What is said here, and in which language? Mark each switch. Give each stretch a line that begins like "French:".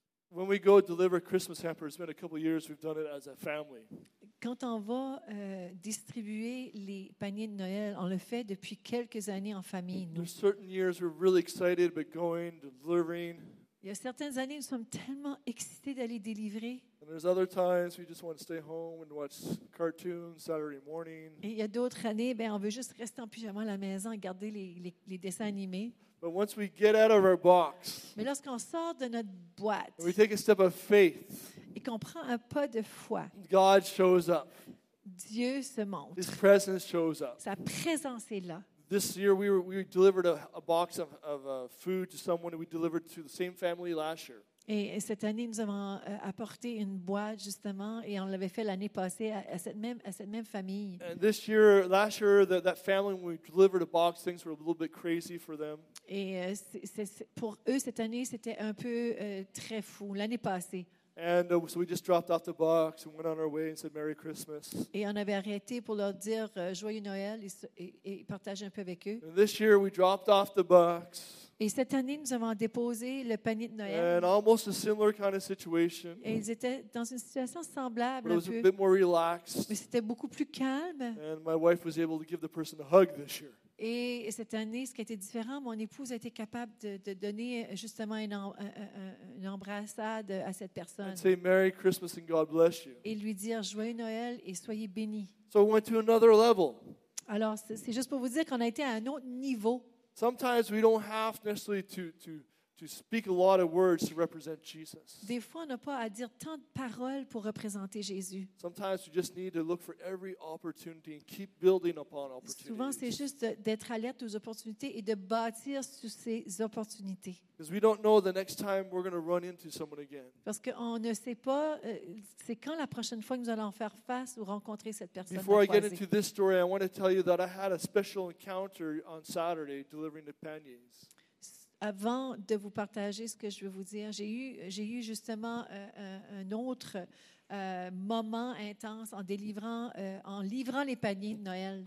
English: When we go deliver Christmas hampers, it's been a couple of years we've done it as a family.
French: Quand on va distribuer les paniers de Noël, on le fait depuis quelques années en famille. Nous.
English: There are certain years we're really excited about going delivering.
French: Il y a certaines années, nous sommes tellement excités d'aller délivrer.
English: And there's other times we just want to stay home and watch cartoons Saturday morning.
French: Et il y a d'autres années, ben on veut juste rester en pyjama à la maison et regarder les dessins animés.
English: But once we get out of our box,
French: mais lorsqu'on sort de notre boîte,
English: we take a step of faith.
French: Et qu'on prend un pas de foi.
English: God shows up.
French: Dieu se montre.
English: His presence shows up.
French: Sa présence est là.
English: This year we delivered a box of food to someone we delivered to the same family last year.
French: Et cette année nous avons apporté une boîte justement et on l'avait fait l'année passée à cette même famille.
English: And this year, last year, that family when we delivered a box, things were a little bit crazy for them.
French: Et c'est pour eux cette année c'était un peu très fou l'année passée.
English: And so we just dropped off the box and went on our way and said Merry Christmas.
French: Et on avait arrêté pour leur dire Joyeux Noël et partager un peu avec eux.
English: And this year we dropped off the box.
French: Et cette année, nous avons déposé le panier de Noël.
English: And almost a similar kind of situation.
French: Et ils étaient dans une situation semblable.
English: But it was a bit more relaxed.
French: Mais c'était beaucoup plus calme.
English: And my wife was able to give the person a hug this year.
French: Et cette année, ce qui a été différent, mon épouse a été capable de donner justement une embrassade à cette personne.
English: And say Merry Christmas and God bless you.
French: Et lui dire Joyeux Noël et soyez bénis.
English: So we went to another level.
French: Alors, c'est juste pour vous dire qu'on a été à un autre niveau.
English: Sometimes we don't have necessarily to speak a lot of words to represent Jesus.
French: Des fois, on n'a pas à dire tant de paroles pour représenter Jésus.
English: Sometimes we just need to look for every opportunity and keep building upon opportunities.
French: Souvent, c'est juste d'être alerte aux opportunités et de bâtir sur ces opportunités.
English: Because we don't know the next time we're going to run into someone again.
French: Parce qu'on ne sait pas c'est quand la prochaine fois que nous allons faire face ou rencontrer cette personne.
English: Before I get into this story, I want to tell you that I had a special encounter on Saturday delivering the paniers.
French: Avant de vous partager ce que je veux vous dire, j'ai eu justement un autre moment intense en livrant les paniers de Noël.